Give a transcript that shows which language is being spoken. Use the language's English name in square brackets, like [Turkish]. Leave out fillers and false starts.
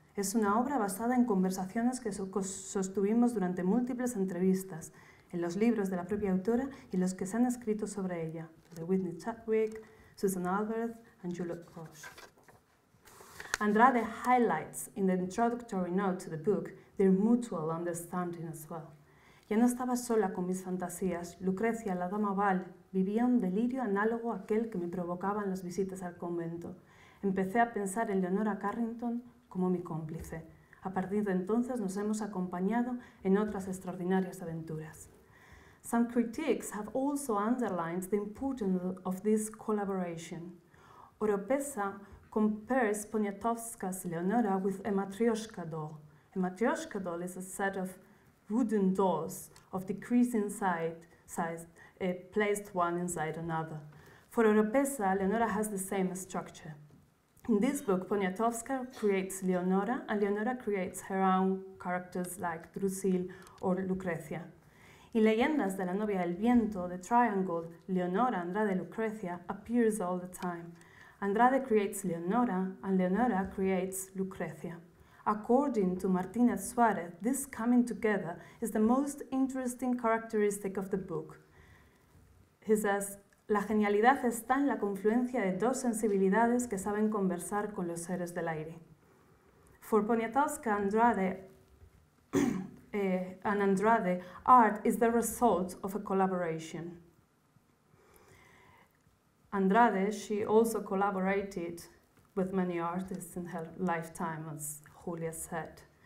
[Spanish] Es una obra basada en conversaciones que sostuvimos durante múltiples entrevistas, en los libros de la propia autora y los que se han escrito sobre ella, de Whitney Chadwick, Susan Albert, and Juliette Roche. [English] Andrade highlights in the introductory note to the book their mutual understanding as well. [Spanish] Ya no estaba sola con mis fantasías. Lucrecia, la dama Val, vivía un delirio análogo a aquel que me provocaban las visitas al convento. Empecé a pensar en Leonora Carrington como mi cómplice. A partir de entonces nos hemos acompañado en otras extraordinarias aventuras. [English] Some critics have also underlined the importance of this collaboration. Oropesa compares Poniatowska's Leonora with a matryoshka doll. A matryoshka doll is a set of wooden dolls of decreasing size, placed one inside another. For Oropesa, Leonora has the same structure. In this book, Poniatowska creates Leonora, and Leonora creates her own characters like Drusil or Lucrecia. In Leyendas de la Novia del Viento, the triangle Leonora, Andrade, Lucrecia appears all the time. Andrade creates Leonora, and Leonora creates Lucrecia. According to Martinez Suarez, this coming together is the most interesting characteristic of the book. He says, [Spanish] la genialidad está en la confluencia de dos sensibilidades que saben conversar con los seres del aire. [English] For Poniatowska, Andrade, and Andrade, art is the result of a collaboration. Andrade, she also collaborated with many artists in her lifetime, as Julia said.